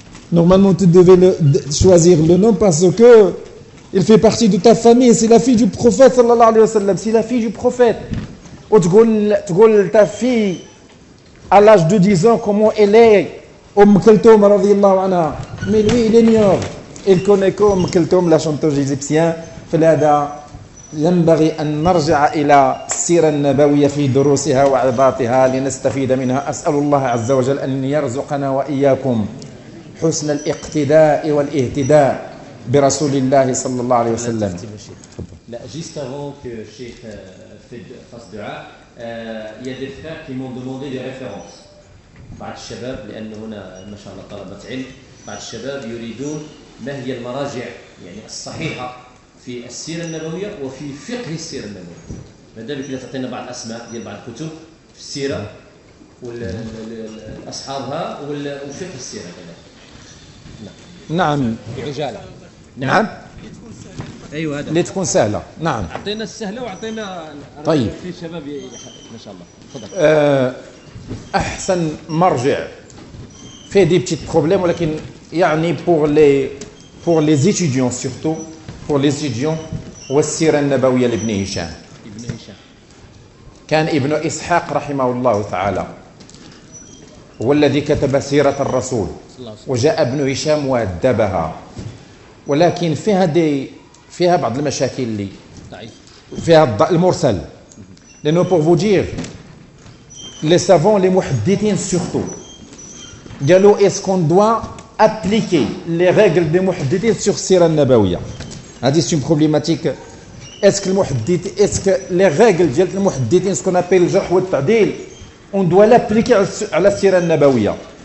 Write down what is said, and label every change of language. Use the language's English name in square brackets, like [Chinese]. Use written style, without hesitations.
[French] Normalement, tu devais choisir le nom parce que il fait partie de ta famille. C'est la fille du prophète, sallallahu alayhi wa sallam. C'est la fille du prophète. Ou tu goules ta fille à l'âge de 10 ans, comment elle est, Om Keltoum, radiyallahu anha. Mais lui, il ignore. Il connaît qu'Om Keltoum, la chanteuse égyptienne. [Arabic] فلهذا ينبغي أن نرجع إلى السيرة النبوية في دروسها وعباطها لنستفيد منها. أسأل الله عز وجل أن يرزقنا وإياكم حسن الاقتداء والاهتداء برسول الله صلى الله عليه وسلم. [French] لا juste avant que Sheikh fasse du'a, il y a des frères qui m'ont demandé des références. [Arabic] بعض الشباب لأن هنا ما شاء الله طلبة علم. بعض الشباب يريدون ما هي المراجع يعني الصحيحة في السيرة النبوية وفي فقه السيرة النبوية. ماذا بك تعطينا بعض الأسماء ديال بعض الكتب في السيرة والأصحابها وفقه السيرة كذا. نعم. عجالة. نعم. لتكون سهلة. أيوة هذا. لتكون سهلة. نعم. أعطينا السهلة وأعطينا. طيب. في شباب ما شاء الله. تفضل. أحسن مرجع. [French] في دي بتيت بروبليم ولكن يعني pour les étudiants surtout. Pour les étudiants, [Arabic] والسيرة النبوية لابن هشام. ابن هشام. كان ابن إسحاق رحمه الله تعالى. هو الذي كتب سيرة الرسول. وجاء ابن هشام وأدبها. ولكن فيها بعض المشاكل اللي. فيها المرسل. [French] لأنه pour vous dire, les savants, les محدثين surtout, قالوا est-ce qu'on doit appliquer les règles des محدثين sur سيرة النبوية. C'est une problématique. Est-ce que les règles de l'Muhaddithin, ce qu'on appelle le Jarh wa Ta'dil, on doit l'appliquer à la Sira Nabawiya?